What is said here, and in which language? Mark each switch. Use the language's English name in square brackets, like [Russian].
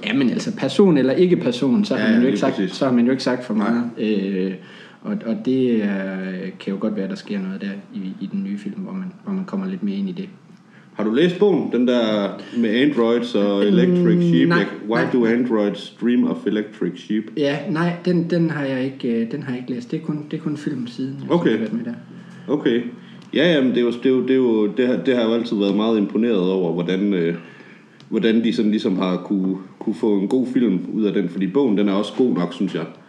[Danish] Jamen altså, person eller ikke person, så har man jo ikke sagt for meget. Og det kan jo godt være, der sker noget der i den nye film, hvor man kommer lidt mere ind i det. Har du læst bogen? Den der med androids og electric sheep? Nej, [English] Do androids dream of electric sheep? [Danish] Ja, nej, den har jeg ikke, den har jeg ikke læst. Det er kun filmsiden, jeg har været med der. Okay. Ja, men det har jeg altid været meget imponeret over, hvordan de sådan ligesom har kunne få en god film ud af den, fordi bogen, den er også god nok, synes jeg.